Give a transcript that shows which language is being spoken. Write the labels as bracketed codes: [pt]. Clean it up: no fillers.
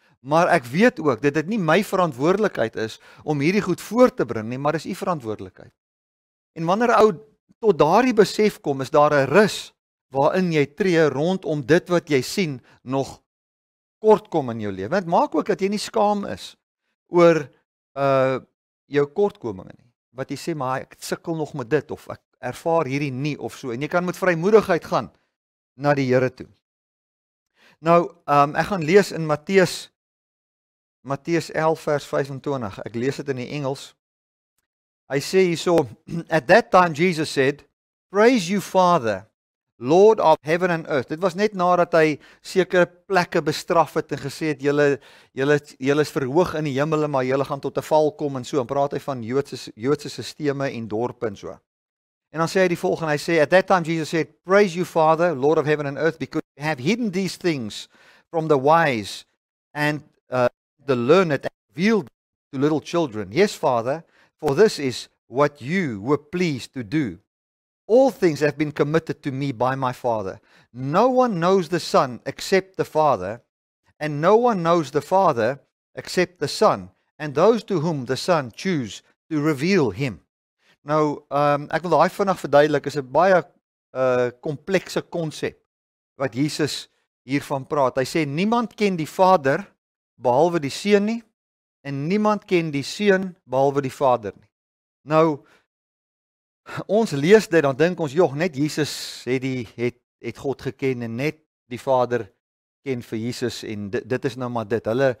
[af] Maar ek weet ook dat dit nie my verantwoordelikheid is om hierdie goed voor te bring nie, maar dis U verantwoordelikheid. En wanneer ou tot daardie besef kom, is daar 'n rus waarin jy tree rondom dit wat jy sien nog kort kom in jou lewe. Dit maak ook dat jy nie skaam is oor jou kortkominge nie. Wat jy sê, maar ek sukkel nog met dit of ek ervaar hierdie nie of so. En jy kan met vrymoedigheid gaan na die Here toe. Nou, ek gaan lees in Matteus 11 vers 25. Ek lees dit in die Engels. Hy sê hierso, [en] at that time Jesus said, praise you Father, Lord of heaven and earth. [af] Dit was net nadat hy sekere plekke bestraf het en gesê het julle is verhoog in die hemele, maar julle gaan tot 'n val kom en so. En praat hy van Joodse stelsels en dorpe en so. En dan sê hy die volgende, hy sê, [en] at that time Jesus said, praise you Father, Lord of heaven and earth, because you have hidden these things from the wise and the learned and revealed to little children. Yes, Father, for this is what you were pleased to do. All things have been committed to me by my Father. No one knows the Son except the Father, and no one knows the Father except the Son, and those to whom the Son choose to reveal him. [af] Nou, ek wil daai vinnig verduidelik, is 'n baie komplekse konsep wat Jesus hiervan praat. Hy sê, niemand ken die Vader behalwe die Seun nie, en niemand ken die Seun behalwe die Vader nie. Nou, ons lees dit, dan dink ons, joh, net Jesus het God geken en net die Vader ken vir Jesus en dit is nou maar dit.